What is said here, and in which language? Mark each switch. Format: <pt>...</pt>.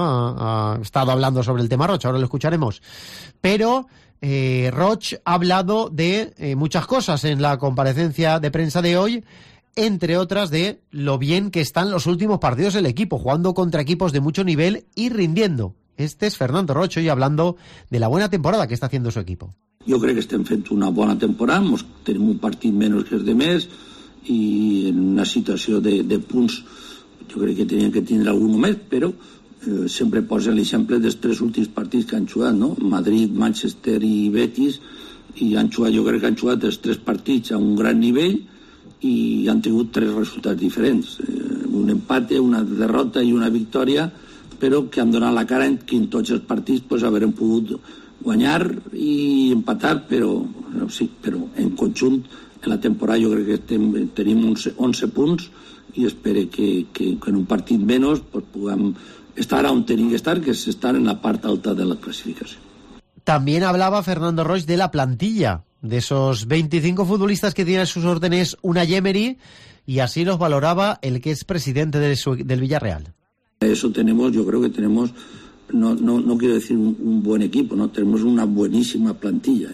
<es>Ha estado hablando sobre el tema Roig, ahora lo escucharemos. Pero Roig ha hablado de muchas cosas en la comparecencia de prensa de hoy, entre otras de lo bien que están los últimos partidos del equipo, jugando contra equipos de mucho nivel y rindiendo. Este es Fernando Roig hoy hablando de la buena temporada que está haciendo su equipo. Yo creo que</es> <ca>estem fent una bona temporada, tenemos un partit menos que el de mes, i en una situació de punts jo crec que tenien que tindre algun més, però sempre posen l'exemple dels tres últims partits que han jugat, no? Madrid, Manchester i Betis, i han jugat, jo crec que han jugat els tres partits a un gran nivell i han tingut tres resultats diferents, un empate, una derrota i una victòria, però que han donat la cara en que en tots els partits pues, haurem pogut guanyar i empatar, però sí, però en conjunt en la temporada jo crec que tenim 11 punts i espero que en un partit menys pues, puguem estar on hem d'estar, que és estar en la part alta de la classificació. També</ca> <es>hablava Fernando Roig de la plantilla, de esos 25 futbolistas que tiene a sus órdenes Unai Emery, y así los valoraba el que es presidente del Villarreal. Eso tenemos, yo creo que tenemos, no quiero decir un buen equipo, no, tenemos una buenísima plantilla.</es>